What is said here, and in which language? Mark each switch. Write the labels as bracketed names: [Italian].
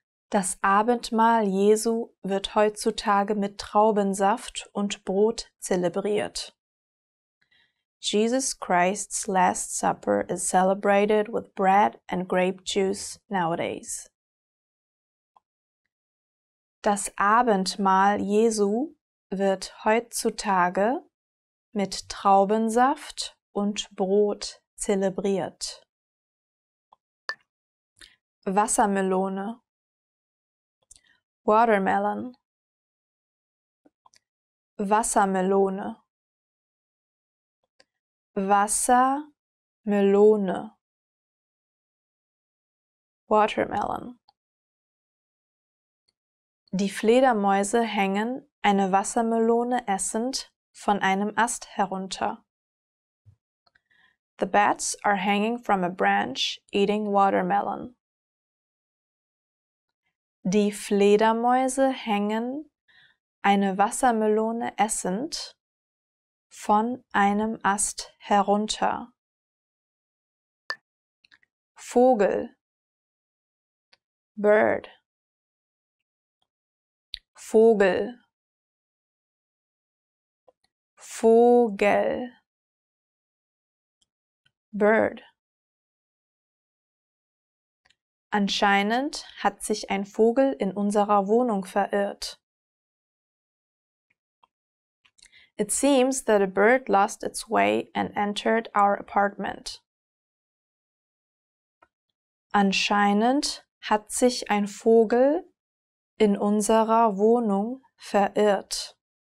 [German] Das Abendmahl Jesu wird heutzutage mit Traubensaft und Brot zelebriert. [English] Jesus Christ's Last Supper is celebrated with bread and grape juice nowadays. [German] Das Abendmahl Jesu wird heutzutage mit Traubensaft und Brot zelebriert. Wassermelone. [English] Watermelon. [German] Wassermelone. Wasser Melone. [English] Watermelon. [German] Die Fledermäuse hängen, eine Wassermelone essend, von einem Ast herunter. [English] The bats are hanging from a branch, eating watermelon. [German] Die Fledermäuse hängen, eine Wassermelone essend, von einem Ast herunter. Vogel. [English] Bird. [German] Vogel. Vogel. [English] Bird. [German] Anscheinend hat sich ein Vogel in unserer Wohnung verirrt. [English] It seems that a bird lost its way and entered our apartment. [German] Anscheinend hat sich ein Vogel in unserer Wohnung verirrt.